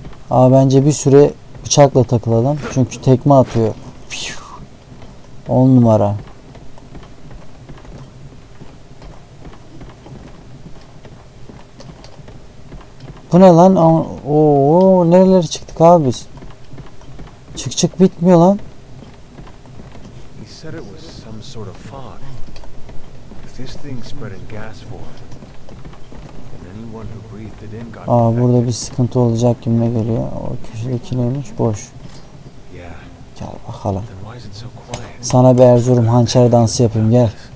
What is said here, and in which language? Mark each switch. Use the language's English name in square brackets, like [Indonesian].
[Turkish] Aa, bence bir süre bıçakla takılalım. Çünkü tekme atıyor. 10 numara. Bu ne lan? Oo, nerelere çıktık abi biz? Çık çık bitmiyor lan. [English] He said it was some sort of fog. If this thing spread in gas form, then anyone who breathed it in got infected. [Turkish] Aa, burada bir sıkıntı olacak gibi geliyor. O köşedeki neymiş? Boş. Gel bakalım. Sana bir Erzurum hançer dansı yapayım, gel.